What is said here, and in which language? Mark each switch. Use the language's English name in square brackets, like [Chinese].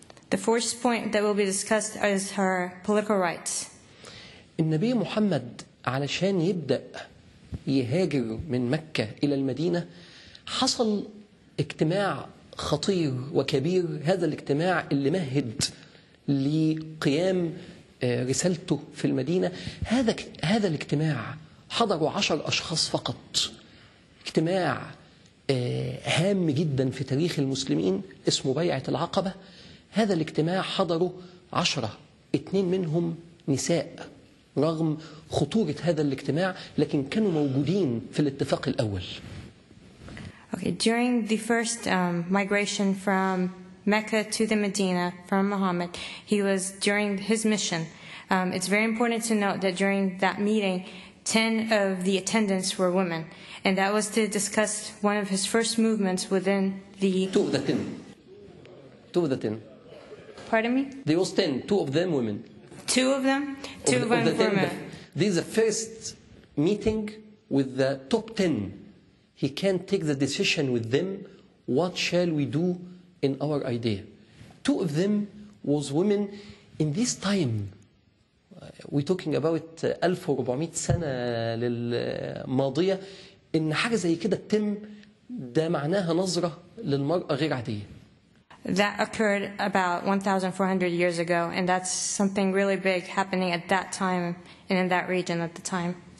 [English] The first point that will be discussed is her political rights. [Arabic] النبي محمد علشان يبدأ يهاجر من مكة إلى المدينة حصل اجتماع خطير وكبير، هذا الاجتماع اللي مهد لقيام رسالته في المدينة. هذا الاجتماع حضروا 10 أشخاص فقط، اجتماع هام جدا في تاريخ المسلمين اسمه بيعة العقبة. هذا الاجتماع حضروا 10، 2 منهم نساء رغم خطورة هذا الاجتماع، لكن كانوا موجودين في الاتفاق الأول. [English] Okay, during the first migration from Mecca to the Medina from Muhammad, he was during his mission. It's very important to note that during that meeting, 10 of the attendants were women, and that was to discuss one of his first movements within the... Two of the ten. Pardon me? There was 10, two of them women. Two of them were women. This is the first meeting with the top 10. He can't take the decision with them, what shall we do in our idea. Two of them was women. In this time, we're talking about [Arabic] 1400 سنة للماضية، إن حاجة زي كده تتم، ده معناها نظرة للمرأة غير عادية. [English] That occurred about 1400 years ago, and that's something really big happening at that time and in that region at the time.